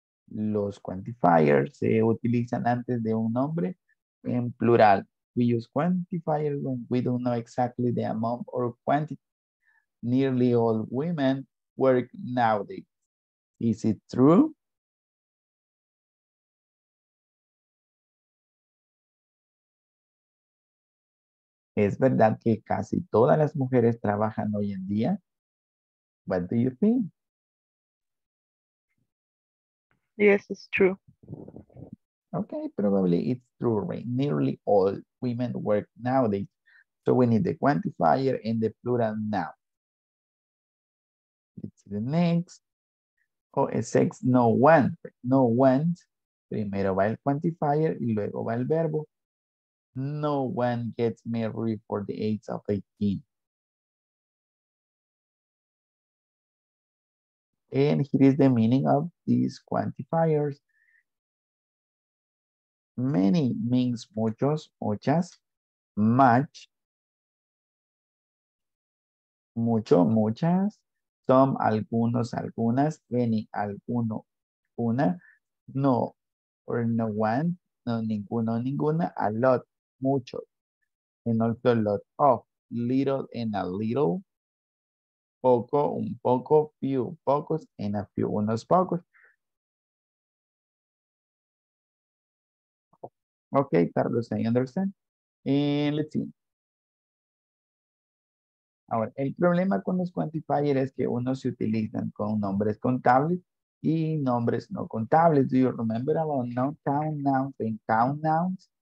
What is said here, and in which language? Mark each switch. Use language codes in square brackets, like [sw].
[es] Los quantifiers se utilizan antes de un nombre en plural. [en] We use quantifiers when we don't know exactly the amount or quantity. Nearly all women work nowadays. Is it true? [es] ¿Es verdad que casi todas las mujeres trabajan hoy en día? [en] What do you think? Yes, it's true. Okay, probably it's true, right? Nearly all women work nowadays. So we need the quantifier and the plural noun. Let's see the next. Oh, it says no one. No one. [es] Primero va el quantifier y luego va el verbo. [en] No one gets married for the age of 18. And here is the meaning of these quantifiers. Many means [es] muchos, muchas, much, mucho, muchas, some, algunos, algunas, many, alguno, una, no, or no one, no, ninguno, ninguna, a lot. Mucho, [en] and also a lot of, little and a little, [es] poco, un poco, few, pocos, [en] and a few, [es] unos pocos. [en] Okay, Carlos, I understand. And let's see. [es] Ahora, el problema con los quantifiers es que unos se utilizan con nombres contables y nombres no contables. [en] Do you remember about non-count nouns and count nouns?